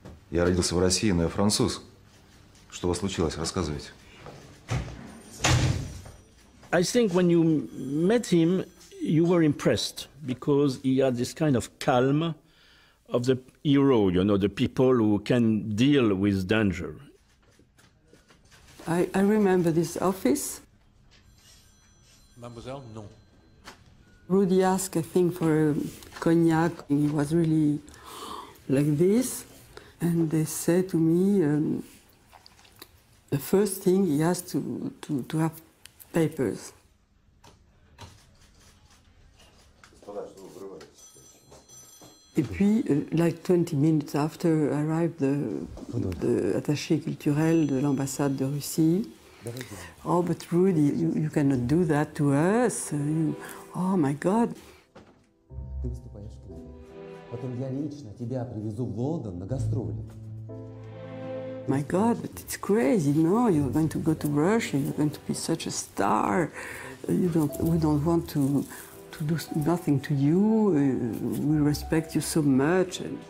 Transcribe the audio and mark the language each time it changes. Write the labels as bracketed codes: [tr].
[ru] Я родился в России, но я француз. Что у вас случилось? Рассказывайте. [en] I think when you met him, you were impressed because he had this kind of calm of the hero, you know, the people who can deal with danger. I remember this office. [fr] Mademoiselle, non. [en] Rudy asked, I think, for a cognac. He was really like this. And they said to me, the first thing he has to have papers. And [fr] puis, [en] like 20 minutes after arrived the [fr] attaché culturel de l'ambassade de Russie. [en] Oh, but Rudy, you cannot do that to us. Oh my God. [ru] Ты выступаешь к нам. Потом я лично тебя привезу в Лондон на гастроли. [en] My God, but it's crazy, you know, you're going to go to Russia, you're going to be such a star. We don't want to do nothing to you. We respect you so much.